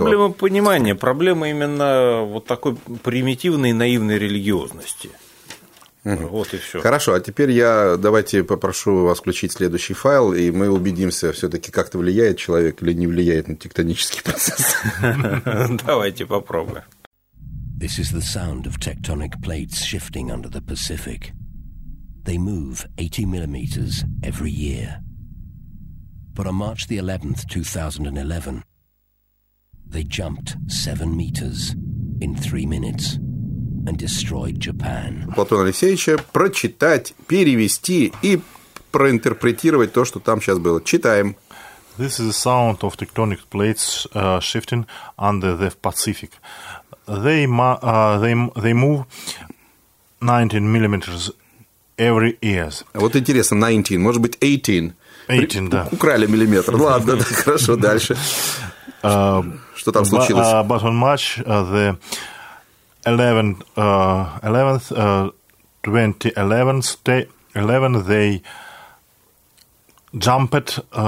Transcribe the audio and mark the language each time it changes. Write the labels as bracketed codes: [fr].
[ru] Это проблема понимания, проблема именно вот такой примитивной наивной религиозности. Угу. Вот и все. Хорошо, а теперь я давайте попрошу вас включить следующий файл, и мы убедимся, все-таки как-то влияет человек или не влияет на тектонический процесс. Давайте попробуем. [en] This is the sound of tectonic plates shifting under the Pacific. They move 80 millimeters every year. But on March the 11th, 2011, they jumped 7 meters in 3 minutes. And destroyed Japan. [ru] Платона Алексеевича прочитать, перевести и проинтерпретировать то, что там сейчас было. Читаем. [en] This is the sound of tectonic plates shifting under the Pacific. They move 19 millimeters every year. [ru] Вот интересно, 19, может быть, 18. Да. Украли миллиметр. Ладно, да, хорошо, дальше. Что там случилось? [en] But on March, the 11th, 2011, they jumped.